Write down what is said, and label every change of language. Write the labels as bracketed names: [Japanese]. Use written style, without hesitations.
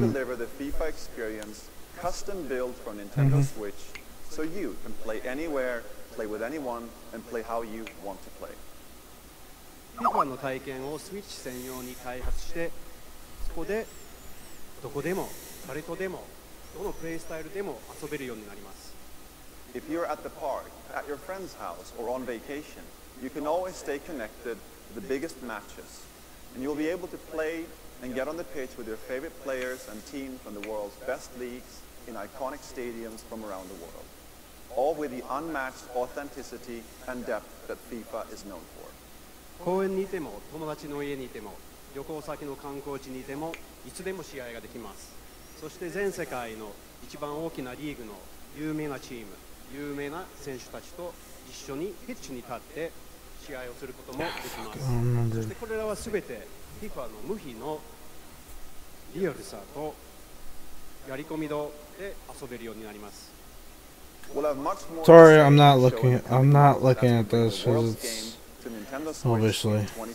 [English] deliver the FIFA experience custom built for Nintendo Switch so you can play anywhere, play with anyone, and play how you want to play. [Japanese] FIFA の体験をスイッチ専用に開発して、そこでどこでも誰とでもどのプレイスタイルでも遊べるようになります。 [English] If you're at the park, at your friend's house, or on vacation, you can always stay connected to the biggest matches. And you'll be able to play and get on the pitch with your favorite players and teams from the world's best leagues in iconic stadiums from around the world. All with the unmatched authenticity and depth that FIFA is known for. [Japanese] 公園にいても、友達の家にいても、旅行先の観光地にいても、いつでも試合ができます。そして全世界の一番大きなリーグの有名なチーム、有名な選手たちと一緒にピッチに立って試合をすることもできます。そしてこれらはすべて FIFA の無比のリアルさとやり込み度で遊べるようになります。 [English] Sorry, I'm not looking at this because it's obviously.